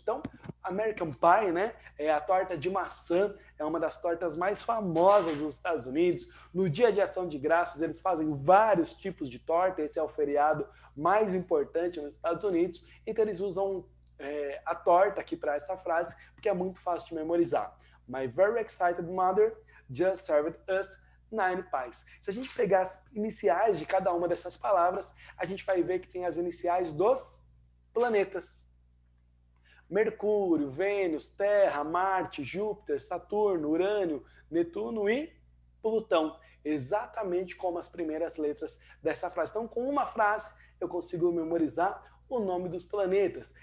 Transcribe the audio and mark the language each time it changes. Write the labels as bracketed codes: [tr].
[pt] Então, American Pie, né? É a torta de maçã, é uma das tortas mais famosas dos Estados Unidos. No Dia de Ação de Graças, eles fazem vários tipos de torta. Esse é o feriado mais importante nos Estados Unidos. Então, eles usam a torta aqui para essa frase, porque é muito fácil de memorizar. [en] My very excited mother just served us nine pies. [pt] Se a gente pegar as iniciais de cada uma dessas palavras, a gente vai ver que tem as iniciais dos planetas. Mercúrio, Vênus, Terra, Marte, Júpiter, Saturno, Urano, Netuno e Plutão. Exatamente como as primeiras letras dessa frase. Então, com uma frase, eu consigo memorizar o nome dos planetas.